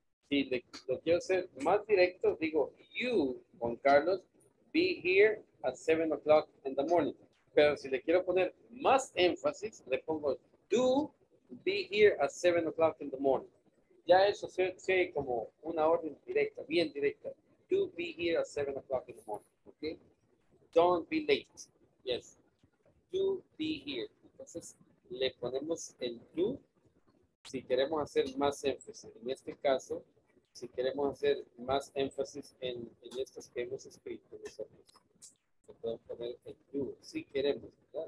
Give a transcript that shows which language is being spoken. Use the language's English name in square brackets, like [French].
[Spanish] Si lo quiero hacer más directo, digo, [English] you, Juan Carlos, be here at 7 o'clock in the morning. [Spanish] Pero si le quiero poner más énfasis, le pongo, [English] do, be here at 7 o'clock in the morning. [Spanish] Ya eso se como una orden directa, bien directa. [English] Do be here at 7 o'clock in the morning. Okay. Don't be late. Yes. Do be here. [Spanish] Entonces, le ponemos el do si queremos hacer más énfasis. En este caso, si queremos hacer más énfasis en estas que hemos escrito nosotros, le podemos poner el do si queremos, ¿verdad?